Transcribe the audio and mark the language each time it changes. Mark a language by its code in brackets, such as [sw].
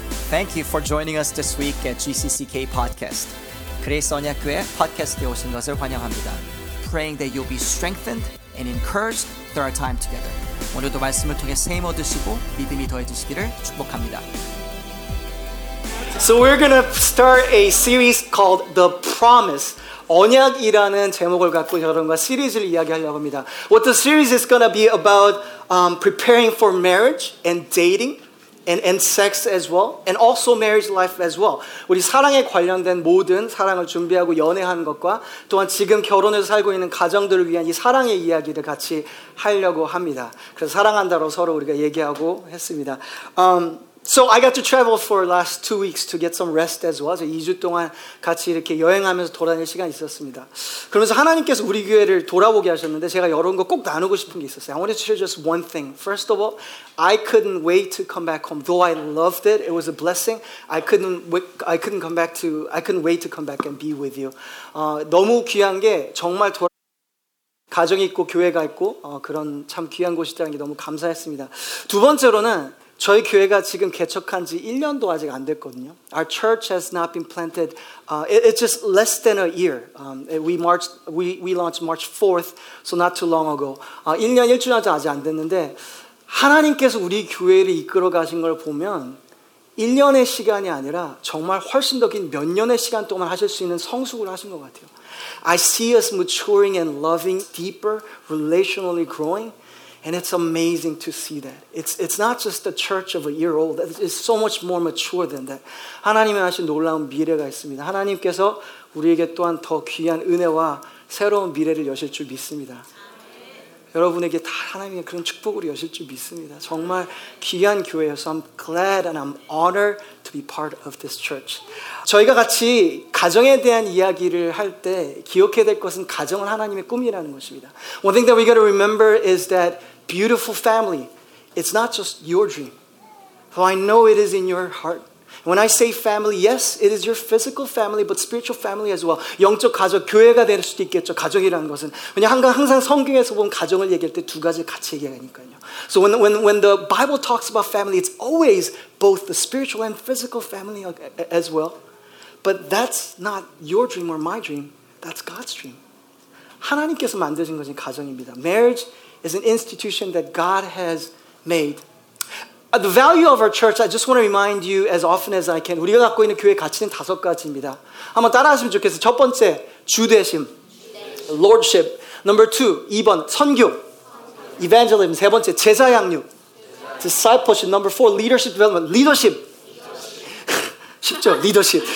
[en] Thank you for joining us this week at GCCK Podcast. [ko] 그레이스 언약교회 팟캐스트에 오신 것을 환영합니다. [en] Praying that you'll be strengthened and encouraged through our time together. [ko] 오늘도 말씀을 통해 세임 얻으시고 믿음이 더해지시기를 축복합니다. [en] So we're going to start a series called The Promise. [ko] 언약이라는 제목을 갖고 여러분과 시리즈를 이야기하려고 합니다. [en] What the series is going to be about preparing for marriage and dating. And sex as well, and also marriage life as well. [ko] 우리 사랑에 관련된 모든 사랑을 준비하고 연애하는 것과 또한 지금 결혼을 살고 있는 가정들을 위한 이 사랑의 이야기를 같이 하려고 합니다. 그래서 사랑한다로 서로 우리가 얘기하고 했습니다. [en] So I got to travel for last 2 weeks to get some rest as well. [ko] 그래서 2주 동안 같이 이렇게 여행하면서 돌아다닐 시간이 있었습니다. 그러면서 하나님께서 우리 교회를 돌아보게 하셨는데 제가 여러분과 꼭 나누고 싶은 게 있었어요. [en] I wanted to share just one thing. First of all, I couldn't wait to come back home. Though I loved it, it was a blessing. I couldn't wait to come back and be with you. [ko] 너무 귀한 게 정말 가정이 있고 교회가 있고 그런 참 귀한 곳이라는 게 너무 감사했습니다. 두 번째로는 저희 교회가 지금 개척한 지 1년도 아직 안 됐거든요. [en] Our church has not been planted. It's just less than a year. We launched March 4th, so not too long ago. [ko] 1년 1주년도 아직 안 됐는데 하나님께서 우리 교회를 이끌어 가신 걸 보면 1년의 시간이 아니라 정말 훨씬 더 긴 몇 년의 시간 동안 하실 수 있는 성숙을 하신 것 같아요. [en] I see us maturing and loving deeper, relationally growing. And it's amazing to see that. It's not just a church of a year old. It's so much more mature than that. [ko] 하나님의 하신 놀라운 미래가 있습니다. 하나님께서 우리에게 또한 더 귀한 은혜와 새로운 미래를 여실 줄 믿습니다. 여러분에게 다 하나님의 그런 축복을 여실 줄 믿습니다. 정말 귀한 교회여서 [en] I'm glad and I'm honored to be part of this church. [ko] 저희가 같이 가정에 대한 이야기를 할 때 기억해야 될 것은 가정은 하나님의 꿈이라는 것입니다. [en] One thing that we got to remember is that beautiful family, it's not just your dream. Though I know it is in your heart. When I say family, yes, it is your physical family, but spiritual family as well. [ko] 영적 가족, 교회가 될 수도 있겠죠, 가정이라는 것은. 왜냐하면 항상 성경에서 보면 가정을 얘기할 때 두 가지를 같이 얘기하니까요. [en] So when the Bible talks about family, it's always both the spiritual and physical family as well. But that's not your dream or my dream, that's God's dream. [ko] 하나님께서 만드신 것이 가정입니다. [en] Marriage is an institution that God has made. The value of our church, I just want to remind you as often as I can. [ko] 우리가 갖고 있는 교회 가치는 다섯 가지입니다. 한번 따라하시면 좋겠어요. 첫 번째, 주되심. Lordship. [en] Number two, [ko] 2번, 선교. Evangelism. 세 번째, 제자 양육. Discipleship. [en] Number four, leadership development. Leadership. [ko] 쉽죠? [en] Leadership.